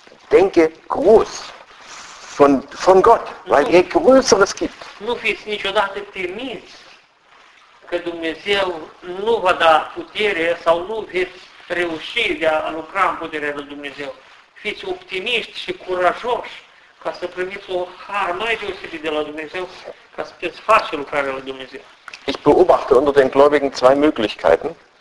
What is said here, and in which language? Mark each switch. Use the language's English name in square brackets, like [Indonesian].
[German] Denke groß von Gott, weil er Größeres gibt. [Romanian] Nu fiți niciodată temiți că Dumnezeu nu va da putere sau nu veți reuși de a lucra în puterea lui Dumnezeu. Fiți optimiști și curajoși ca să primiți o har mai deosebit de la Dumnezeu, ca să puteți face lucrarea lui Dumnezeu. [German] Ich beobachte unter den Gläubigen zwei Möglichkeiten.